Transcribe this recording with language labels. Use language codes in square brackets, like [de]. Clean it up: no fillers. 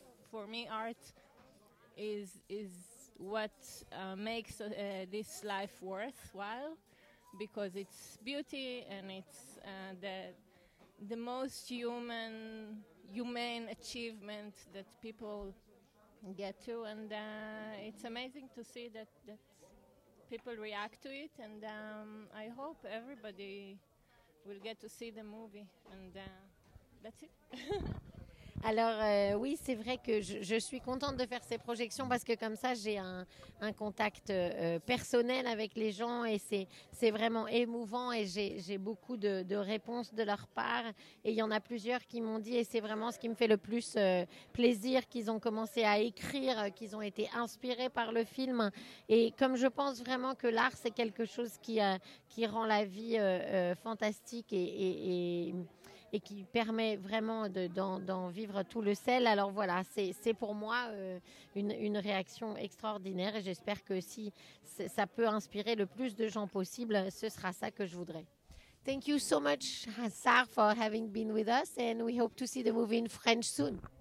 [en] For me, art is what makes this life worthwhile, because it's beauty and it's the most humane achievement that people get to, and it's amazing to see that people react to it, and I hope everybody will get to see the movie, and that's it. [fr] Alors oui, c'est vrai que je suis contente de faire ces projections, parce que comme ça j'ai un contact personnel avec les gens, et c'est vraiment émouvant, et j'ai beaucoup de réponses de leur part, et il y en a plusieurs qui m'ont dit, et c'est vraiment ce qui me fait le plus plaisir, qu'ils ont commencé à écrire, qu'ils ont été inspirés par le film. Et comme je pense vraiment que l'art c'est quelque chose qui rend la vie fantastique et qui permet vraiment d'en vivre tout le sel. Alors voilà, c'est pour moi une réaction extraordinaire. Et j'espère que si ça peut inspirer le plus de gens possible, ce sera ça que je voudrais. [en] Thank you so much, Hassar, for having been with us. And we hope to see the movie in French soon.